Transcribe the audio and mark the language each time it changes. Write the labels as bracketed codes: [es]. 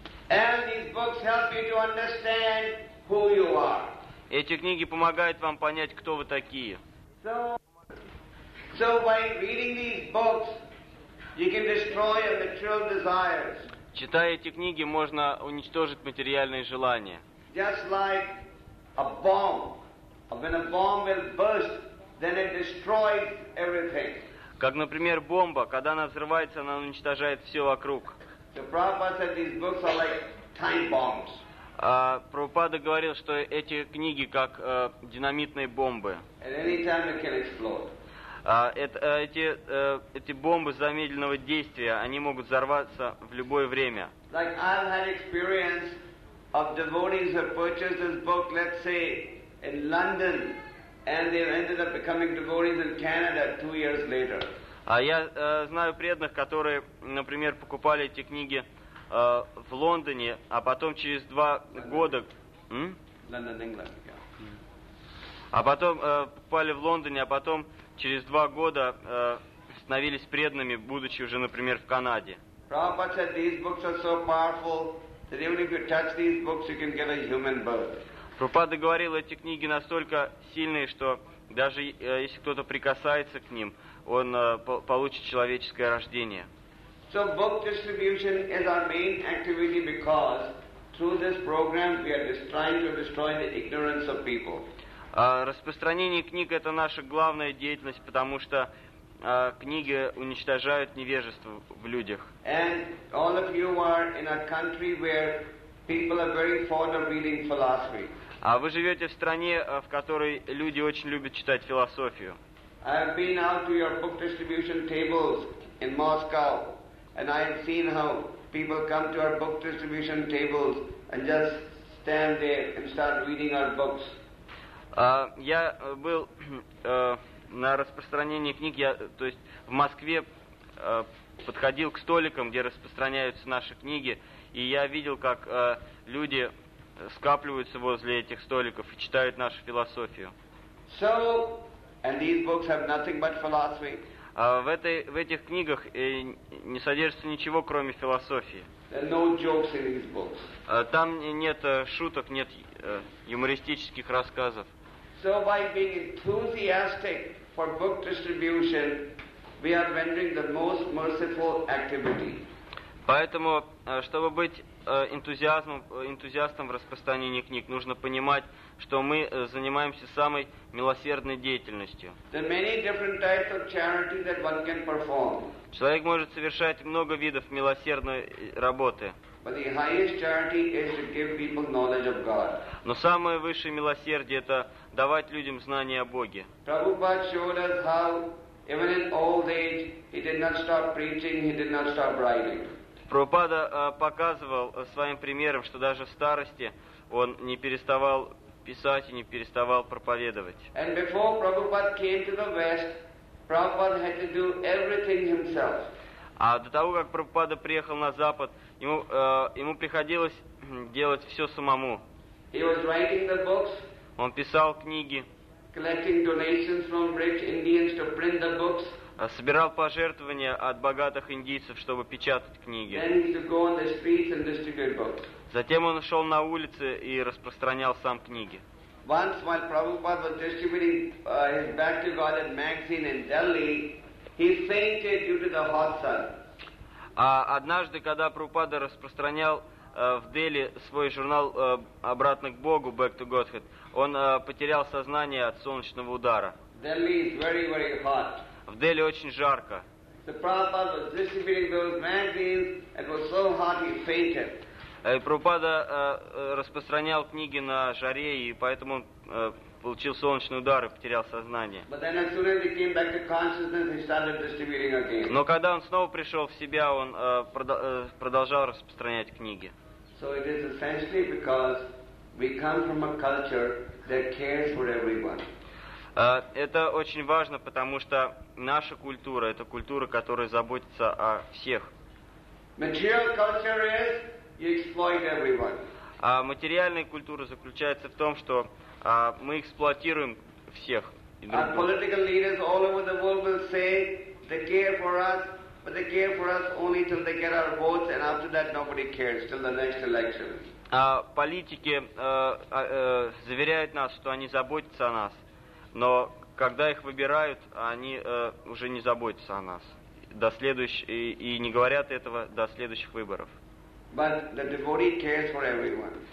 [en] And these books help you to understand who you are. [ru] Эти книги помогают вам понять, кто вы такие. [en] So by reading these books, you can destroy your material desires. [ru] Читая эти книги, можно уничтожить материальные желания. [en] Just like a bomb. When a bomb will burst, then it destroys everything. [ru] Как, например, бомба. Когда она взрывается, она уничтожает все вокруг. [en] So Prabhupada said these books are like time bombs. [ru] Прабхупада говорил, что эти книги как динамитные бомбы. [en] At any time they can explode. [ru] Эти бомбы замедленного действия, они могут взорваться в любое время. [en] Like I've had experience of devotees who purchased this book, let's say, in London, and they ended up becoming devotees in Canada 2 years later. [ru] Я знаю преданных, которые, например, покупали эти книги в Лондоне, а потом через два года... [en] London, England, yeah. [ru] А потом попали в Лондоне, а потом через два года становились преданными, будучи уже, например, в Канаде. [en] Prabhupada said these books are so powerful that even if you touch these books, you can get a human birth. [ru] Прабхупада говорил, эти книги настолько сильные, что даже если кто-то прикасается к ним, он получит человеческое рождение. [en] So book distribution is our main activity because through this program we are trying to destroy the ignorance of people. [ru] Распространение книг – это наша главная деятельность, потому что книги уничтожают невежество в людях. [en] And all of you are in a country where people are very fond of reading philosophy. [ru] А вы живете в стране, в которой люди очень любят читать философию. [en] I have been out to your book distribution tables in Moscow, and I have seen how people come to our book distribution tables and just stand there and start reading our books. [ru] Я был на распространении книг, я, то есть в Москве подходил к столикам, где распространяются наши книги, и я видел, как люди скапливаются возле этих столиков и читают нашу философию. [en] So, and these books have nothing but philosophy. [ru] В этих книгах не содержится ничего, кроме философии. [en] There are no jokes in these books. [ru] Там нет шуток, нет юмористических рассказов. [en] So by being enthusiastic for book distribution, we are rendering the most merciful activity. [ru] Поэтому, чтобы быть энтузиастом в распространении книг, нужно понимать, что мы занимаемся самой милосердной деятельностью. [en] There are many different types of charity that one can perform. [ru] Человек может совершать много видов милосердной работы. [en] But the highest charity is to give people knowledge of God. [ru] Но самое высшее милосердие — это давать людям знания о Боге. [en] Prabhupada showed us how, even in old age, he did not stop preaching, he did not stop writing. [ru] Прабхупада показывал своим примером, что даже в старости он не переставал писать и не переставал проповедовать. [en] And before Prabhupada came to the West, Prabhupada had to do everything himself. [ru] А до того, как Прабхупада приехал на Запад, ему приходилось делать все самому. [en] He was writing the books. [ru] Он писал книги. [en] Collecting donations from rich Indians to print the books. [ru] Собирал пожертвования от богатых индийцев, чтобы печатать книги. [en] Then he would go on the streets and distribute books. [ru] Затем он шел на улицы и распространял сам книги. [en] Once, while Prabhupada was distributing his Back to Godhead magazine in Delhi, he fainted due to the hot sun. [ru] А однажды, когда Прабхупада распространял в Дели свой журнал «Обратно к Богу», «Back to Godhead», он потерял сознание от солнечного удара. [en] Delhi is very, very hot. [ru] В Дели очень жарко. [en] The Prabhupada was distributing those magazines, it was so hot he fainted. [ru] Прабхупада распространял книги на жаре, и поэтому он получил солнечный удар и потерял сознание. [en] But then as soon as he came back to consciousness, he started distributing again. [ru] Но когда он снова пришел в себя, он продолжал распространять книги. [en] So it is essentially because we come from a culture that cares for everyone. [ru] Это очень важно, потому что наша культура — это культура, которая заботится о всех. [en] Material culture is you exploit everyone. [ru] А материальная культура заключается в том, что мы эксплуатируем всех. [en] Our political leaders all over the world will say they care for us, but they care for us only till they get our votes, and after that nobody cares till the next election. [ru] Политики заверяют нас, что они заботятся о нас, но когда их выбирают, они уже не заботятся о нас до следующих и не говорят этого до следующих выборов. [en] But the devotee cares for everyone.